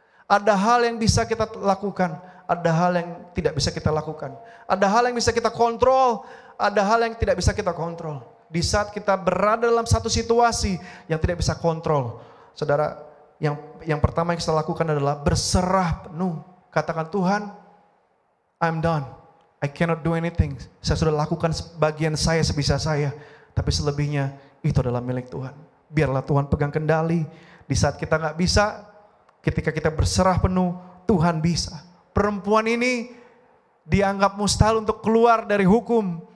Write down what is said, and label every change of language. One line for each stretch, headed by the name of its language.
Indonesian: Ada hal yang bisa kita lakukan, ada hal yang tidak bisa kita lakukan. Ada hal yang bisa kita kontrol, ada hal yang tidak bisa kita kontrol. Di saat kita berada dalam satu situasi yang tidak bisa kontrol, saudara, yang pertama yang kita lakukan adalah berserah penuh. Katakan, Tuhan,
English: I'm done. I cannot do anything.
Indonesian: Saya sudah lakukan bagian saya sebisa saya, tapi selebihnya itu adalah milik Tuhan. Biarlah Tuhan pegang kendali. Di saat kita gak bisa, ketika kita berserah penuh, Tuhan bisa. Perempuan ini dianggap mustahil untuk keluar dari hukum.